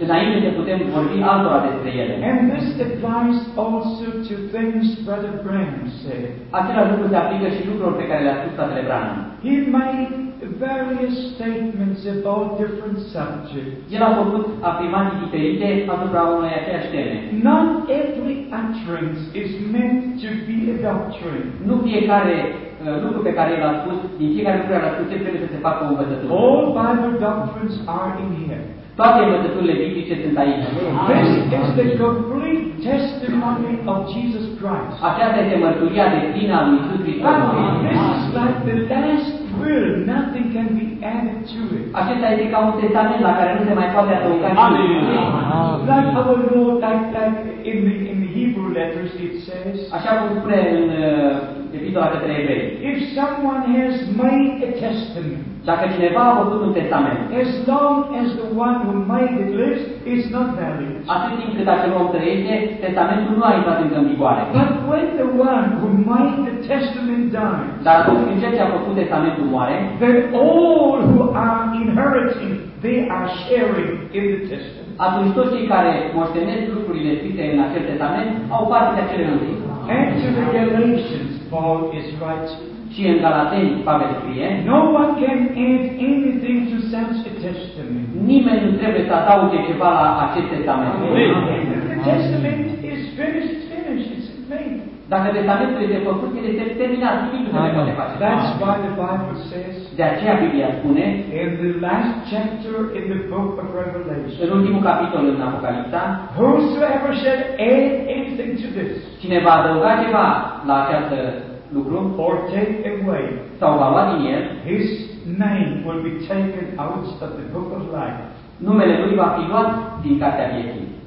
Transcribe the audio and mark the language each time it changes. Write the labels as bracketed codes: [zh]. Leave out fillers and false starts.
[ro] Înainte să putem vorbi altora despre ele. [en] And this applies also to things Brother Branham said. [ro] Acela lucru se aplică și lucrurilor pe care le-a spus Fratele Branham. [en] He made various statements about different subjects. [ro] El a făcut afirmații diferite asupra unei aceeași teme. [en] Not every utterance is meant to be a doctrine. [ro] Nu fiecare lucru pe care el a spus, din fiecare lucru care l-a spus, trebuie să se facă o învățătură. [en] All Bible doctrines are in here. [ro] Toate învățăturile biblice sunt aici. [en] This is the complete testimony of Jesus Christ. [ro] Aceasta este mărturia de plină a lui Iisus Hristos. [en] This is like the last will. Nothing can be added to it. [ro] Acesta este ca un testament la care nu se mai poate adăuga. [en] Like our Lord, like in the Hebrew letters it says. [ro] Așa cum spune în Epistola către Evrei. [en] If someone has made a testament. [ro] Dacă cineva a făcut un testament, [en] as long as the one who made it lives, it's not valid. [ro] Atât timp cât acel om trăiește, testamentul nu a intrat în vigoare. [en] But when the one who made the testament dies, [ro] dar atunci când cel ce a făcut testamentul moare, [en] then all who are inheriting, they are sharing in the testament. [ro] Atunci toți cei care moștenesc lucrurile scrise în acel testament au parte de acele lucruri. [en] And to the Galatians, Paul is writing. [ro] Și în Galateni, Pavel scrie, [en] no one can add anything to such a testament. [ro] Nimeni nu trebuie să adauge ceva la acest testament. [en] The testament is finished, it's made. [ro] Dacă testamentul este făcut, el este terminat, nimic nu se poate face. [en] That's why the Bible says. [ro] De aceea Biblia spune, [en] in the last chapter in the book of Revelation. [ro] În ultimul capitol în Apocalipsa, [en] whosoever shall add anything to this. [ro] Cine va adăuga ceva la această lucru, [en] or take away, [ro] sau va lua din el, [en] his name will be taken out of the book of life. [ro] Numele lui va fi luat din cartea vieții.